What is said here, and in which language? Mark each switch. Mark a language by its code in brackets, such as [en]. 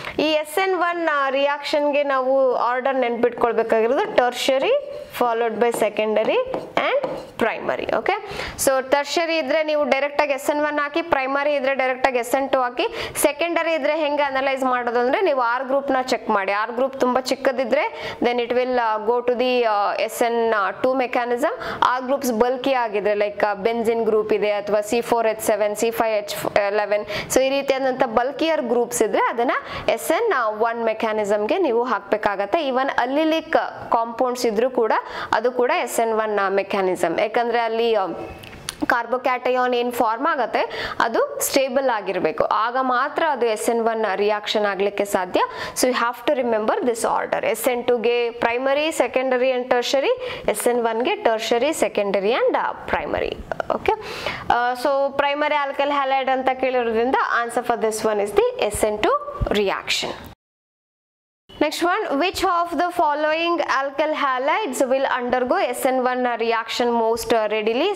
[en] Ee SN1 reaction [kn] ge navu order nenpidkolbekagirudu [en] tertiary followed by secondary and primary. [kn] Okay, so tertiary idre neevu direct ag SN1 haki, primary idre direct ag SN2 haki, secondary idre henga analyze maadu ಅದಂದ್ರೆ ನೀವು R group ನ check ಮಾಡಿ. R group ತುಂಬಾ ಚಿಕ್ಕದಿದ್ರೆ [en] Then it will go to the SN two mechanism. [kn] R groups bulky ಆಗಿದ್ರೆ like benzene group ಇದೆ ಅಥವಾ C4H7 C5H11, so ಈ ರೀತಿಯಾದಂತ ಬಲ್ಕಿಯರ್ ಗ್ರೂಪ್ಸ್ ಇದ್ರೆ ಅದನ್ನ ಎಸ್ಎನ್ ಒನ್ ಮೆಕ್ಯಾನಿಸಮ್ಗೆ ನೀವು ಹಾಕ್ಬೇಕಾಗತ್ತೆ. ಈವನ್ ಅಲ್ಲಿಲಿಕ್ ಕಾಂಪೌಂಡ್ಸ್ ಇದ್ರೂ ಕೂಡ ಅದು ಕೂಡ ಎಸ್ಎನ್ ಒನ್ ಮೆಕ್ಯಾನಿಸಮ್, ಯಾಕಂದ್ರೆ ಅಲ್ಲಿ ಕಾರ್ಬೋಕ್ಯಾಟಯಾನ್ ಏನು ಫಾರ್ಮ್ ಆಗುತ್ತೆ ಅದು ಸ್ಟೇಬಲ್ ಆಗಿರಬೇಕು, ಆಗ ಮಾತ್ರ ಅದು ಎಸ್ ಎನ್ ಒನ್ ರಿಯಾಕ್ಷನ್ ಆಗಲಿಕ್ಕೆ ಸಾಧ್ಯ. [en] So you have to remember this order, S N ಟೂಗೆ primary, secondary and tertiary, S N ಒನ್ಗೆ tertiary, secondary and primary. Okay, so primary alkyl halide [kn] ಅಂತ ಕೇಳಿರೋದ್ರಿಂದ [en] Answer for this one is the S N two reaction. Next one, which of the following alkyl halides will undergo SN1 reaction most readily?